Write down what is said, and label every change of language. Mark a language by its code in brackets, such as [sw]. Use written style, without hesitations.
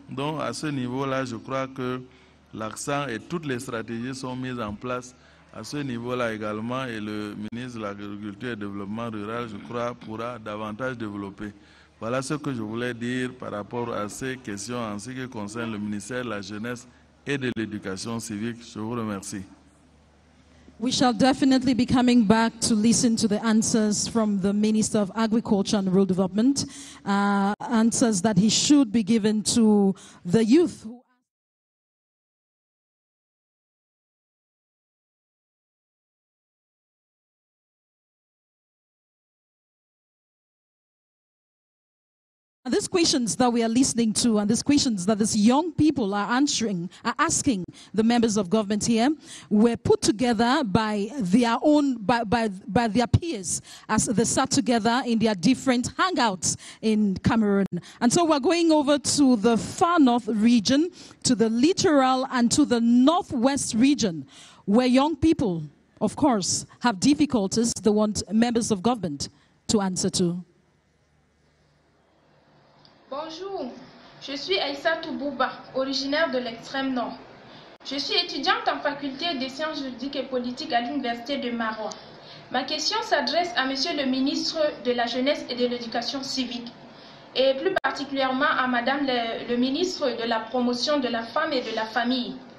[fr] Donc à ce niveau-là, je crois que l'accent et toutes les stratégies sont mises en place à ce niveau-là également, et le ministre de l'Agriculture et du Développement Rural, je crois, pourra davantage développer. Voilà ce que je voulais dire par rapport à ces questions en ce qui concerne le ministère de la Jeunesse et de l'Éducation civique. Je vous remercie. [en] We shall definitely be coming back to listen to the answers from the Minister of Agriculture and Rural Development, answers that he should be given to the youth. And these questions that we are listening to and these questions that these young people are answering, are asking the members of government here, were put together by their own, by their peers as they sat together in their different hangouts in Cameroon. And so we're going over to the far north region, to the littoral and to the northwest region, where young people, of course, have difficulties they want members of government to answer to. [fr] Bonjour, je suis Aïssa Toubouba, originaire de l'extrême nord. Je suis étudiante en faculté des sciences juridiques et politiques à l'Université de Maroua. Ma question s'adresse à Monsieur le ministre de la Jeunesse et de l'Éducation civique, et plus particulièrement à Madame le ministre de la Promotion de la Femme et de la Famille.